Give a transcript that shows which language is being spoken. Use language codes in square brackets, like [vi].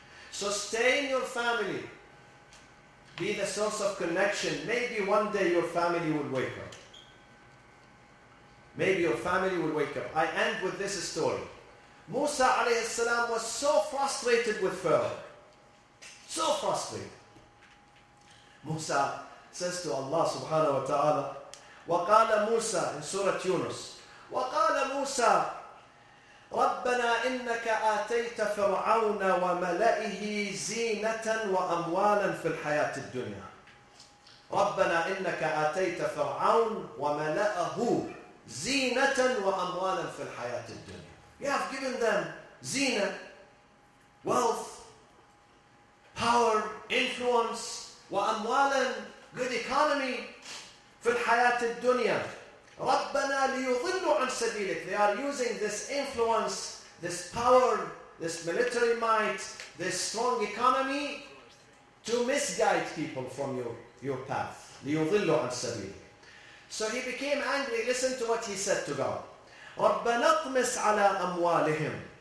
[en] So stay in your family. Be the source of connection. Maybe one day your family will wake up. Maybe your family will wake up. I end with this story. Musa alayhi salam was so frustrated with Pharaoh. So frustrated. Musa says to Allah subhanahu wa ta'ala, [ar] وقال موسى [en] in Surah Yunus, [ar] وقال موسى ربنا إنك آتيت فرعون وملئه زينة وأموالا في الحياة الدنيا. ربنا إنك آتيت فرعون وملئه زينة وأموالا في الحياة الدنيا. [en] You have given them زينة, wealth, power, influence, وأموالا, good economy. [ar] في الحياة الدنيا ربنا ليضلوا عن سبيلك. [en] They are using this influence, this power, this military might, this strong economy to misguide people from your path. [ar] ليضلوا عن سبيلك. [en] So he became angry. Listen to what he said to God. [ar] ربنا اطمس على أموالهم.